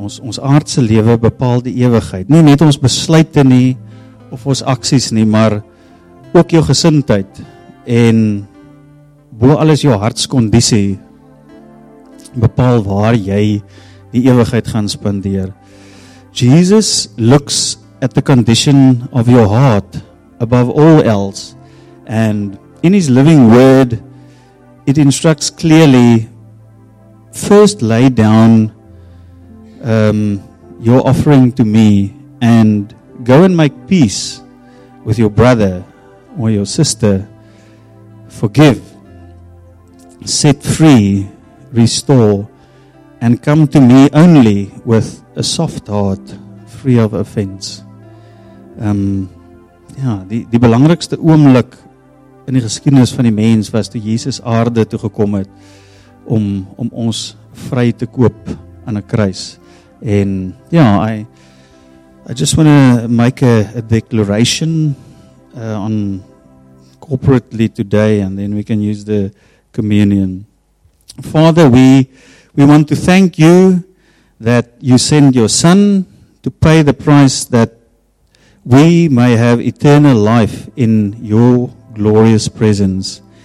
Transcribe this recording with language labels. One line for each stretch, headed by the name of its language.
Afrikaans: Ons aardse lewe bepaal die ewigheid. Nie net ons besluite nie, of ons aksies nie, maar ook jou gesindheid. En bo alles jou hartskondisie bepaal waar jy die ewigheid gaan spandeer.
English: Jesus looks at the condition of your heart above all else, and in his living word it instructs clearly, first lay down your offering to me and go and make peace with your brother or your sister, forgive, set free, restore, and come to me only with a soft heart, free of offense.
Afrikaans: Die belangrikste oomblik in die geskiedenis van die mens was toe Jesus aarde toe gekom het om ons vry te koop aan 'n kruis. En ja,
English: I just want to make a declaration on corporately today, and then we can use the communion. Father, we want to thank you that you send your son to pay the price that we may have eternal life in your glorious presence.